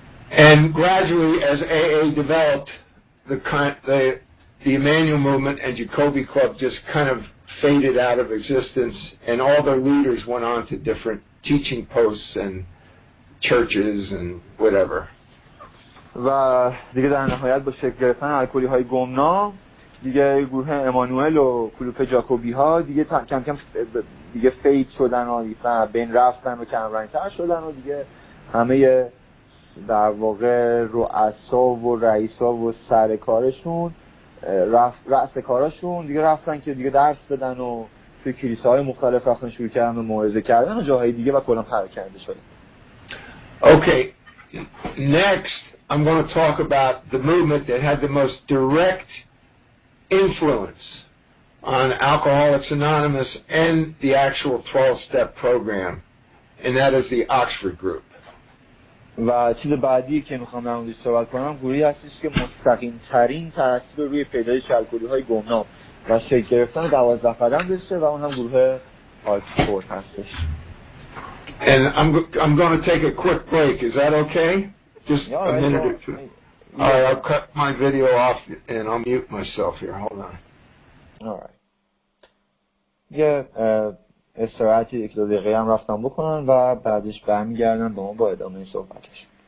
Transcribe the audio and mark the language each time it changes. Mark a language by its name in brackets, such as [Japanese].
[English] And gradually as AA developed the Emmanuel Movement and Jacobi Club just kind of faded out of existence, and all their leaders went on to different teaching posts and churches and whatever. [Persian] و دیگه در نهایت با شکل گرفتن الکلی‌های گمنام دیگه گروه امانوئل و کلوپ جاکوبی ها دیگه کم کم دیگه فید شدن و بین رفتن و کم رنگتر شدن و دیگه همه در واقع رؤسا و رئیسا و سرکارشون رأس کاراشون دیگه رفتن که دیگه درس بدن و توی کلیساهای مختلف رفتن شروع کردن و موعظه کردن و جاهای دیگه و کلا پراکنده شدن. [English] Okay, next I'm going to talk about the movement that had the most direct influence on Alcoholics Anonymous and the actual 12-step program, and that is the Oxford Group. [Persian] و چیز بعدی که میخوام در موردش صحبت کنم گروهی هستش که مستقیم ترین تأثیر روی پیدایش الکلی های گمنام و شکل گرفتن 12 قدم داشته و اون هم گروه آکسفورد هستش. [English] And I'm going to take a quick break. Is that okay? Just a minute or two. All right, I'll cut my video off and I'll mute myself here. Hold on. All right. [Persian] استراحتی یک دو دقیقه هم رفتم بکنن و بعدش برمیگردن با ما با ادامه این صحبتش.